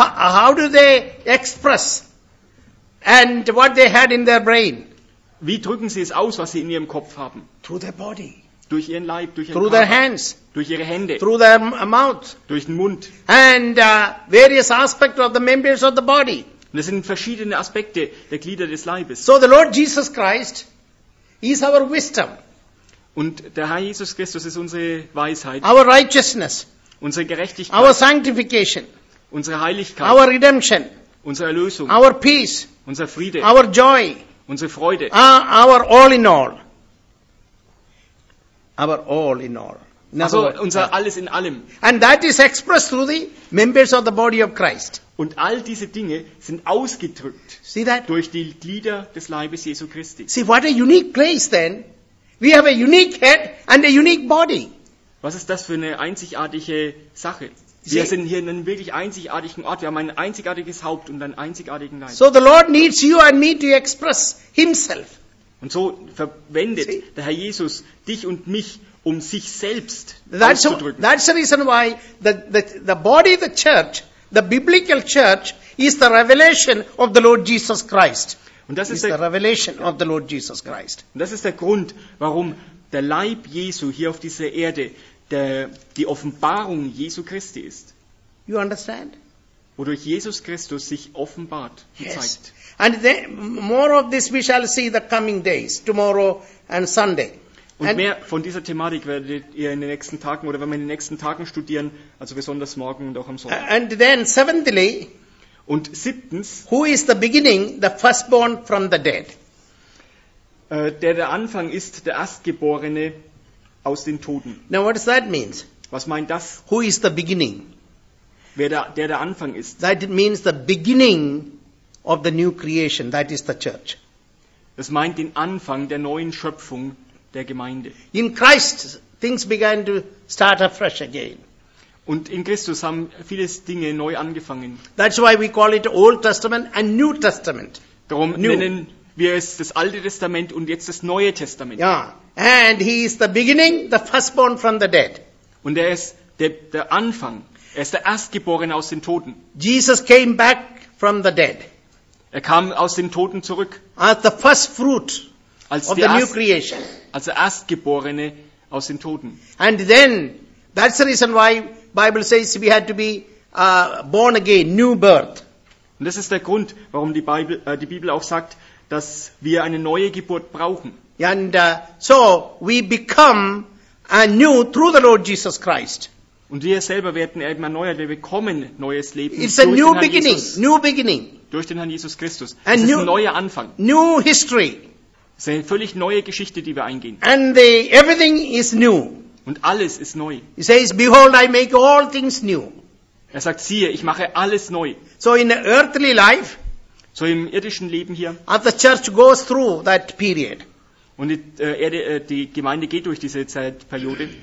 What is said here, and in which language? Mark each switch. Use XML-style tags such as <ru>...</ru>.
<en>How do they express and what they had in their brain?</en> <de>Wie drücken sie es aus, was sie in ihrem Kopf haben?</de> <en>Through their body.</en> <de>Durch ihren Leib, durch ihren</de> <en>Through</en> <de>Körper,</de> <en>their hands.</en> <de>Durch ihre Hände.</de> <en>Through their mouth.</en> <de>Durch den Mund.</de> <en>And various aspects of the members of the body.</en> <de>Und das sind verschiedene Aspekte der Glieder des Leibes.</de> <en>So the Lord Jesus Christ is our wisdom.</en> <de>Und der Herr Jesus Christus ist unsere Weisheit.</de> <en>Our righteousness.</en> <de>Unsere Gerechtigkeit.</de> <en>Our sanctification.</en> <de>Unsere Heiligkeit.</de> <en>Our redemption.</en> <de>Unsere Erlösung.</de> <en>Our peace.</en> <de>Unser Friede.</de> <en>Our joy.</en> <de>Unsere Freude.</de> <en>Our all in all. Our all in all. In also words,</en> <de>unser alles in allem.</de> <en>And that is expressed through the members of the body of Christ.</en> <de>Und all diese Dinge sind ausgedrückt.</de> <en>See that?</en> <de>Durch die Glieder des Leibes Jesu Christi.</de> <en>See, what a unique place then. We have a unique head and a unique body.</en> <de>Was ist das für eine einzigartige Sache? Wir sind hier in einem wirklich einzigartigen Ort. Wir haben ein einzigartiges Haupt und einen einzigartigen Leib.</de> <en>So the Lord needs you and me to express himself.</en> <de>Und so verwendet der Herr Jesus dich und mich, um sich selbst auszudrücken.</de> <en>That's the reason why the body, the church, the biblical church is the revelation of the Lord Jesus Christ.</en> <de>Und das ist</de> <en>the revelation of the Lord Jesus Christ.</en> <de>Und das ist der Grund, warum der Leib Jesu hier auf dieser Erde die Offenbarung Jesu Christi ist.</de> <en>You understand?</en> <de>Wodurch Jesus Christus sich offenbart und zeigt.</de> <en>And then more of this we shall see the coming days, tomorrow and Sunday.</en> <de>Und mehr von dieser Thematik werdet ihr in den nächsten Tagen oder wenn wir in den nächsten Tagen studieren, also besonders morgen und auch am Sonntag.</de> <en>And then seventhly.</en> <de>Und siebtens,</de> <en>who is the beginning, the firstborn from the dead?</en> <de>Der Anfang ist der Erstgeborene aus den Toten.</de> <en>Now what does that mean?</en> <de>Was meint das?</de> <en>Who is the beginning?</en> <de>Der Anfang ist.</de> <en>That means the beginning of the new creation, that is the church.</en> <de>Das meint den Anfang der neuen Schöpfung der Gemeinde.</de> <en>In Christ things began to start afresh again.</en> <de>Und in Christus haben viele Dinge neu angefangen.</de> <en>That's why we call it Old Testament and New Testament.</en> <de>Darum nennen wir es das Alte Testament und jetzt das Neue Testament.</de> <en>Yeah. And he is the beginning, the firstborn from the dead.</en> <de>Und er ist der Anfang. Er ist der Erstgeborene aus den Toten.</de> <en>Jesus came back from the dead.</en> <de>Er kam aus den Toten zurück.</de> <en>As the first fruit of the new creation.</en> <de>Als der Erstgeborene aus den Toten.</de> <en>And then that's the reason why Bible says we had to be born again, new birth.</en> <de>Und das ist der Grund, warum die Bibel auch sagt, dass wir eine neue Geburt brauchen.</de> <en>And so we become anew through the Lord Jesus Christ.</en> <de>Und wir selber werden eben erneuert, wir bekommen neues Leben.</de> <en>It's a new beginning, Jesus, new beginning.</en> <de>Durch den Herrn Jesus Christus. Es ist ein neuer Anfang.</de> <en>New history.</en> <de>Es ist eine völlig neue Geschichte, die wir eingehen.</de> <en>And everything is new.</en> <de>Und alles ist neu.</de> <en>He says, behold, I make all things new.</en> <de>Er sagt, siehe, ich mache alles neu.</de> <en>So in the earthly life.</en> <de>So im irdischen Leben hier.</de> <en>As the church goes through that period.</en> <de>Und die Gemeinde geht durch diese Zeitperiode.</de>